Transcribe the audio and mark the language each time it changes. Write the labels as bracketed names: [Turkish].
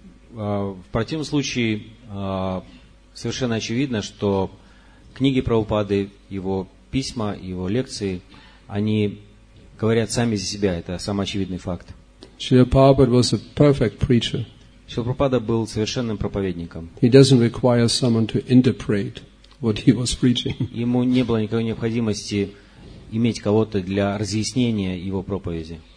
[Russian] В противном случае совершенно очевидно, что книги Прабхупады, его письма, его лекции, они говорят сами за себя. Это самый очевидный факт. [English] Śrīla Prabhupāda was a perfect preacher. [Russian] Śrīla Prabhupāda был совершенным проповедником. [English] He doesn't require someone to interpret what he was preaching. [Russian] Ему не было никакой необходимости иметь кого-то для разъяснения его проповеди.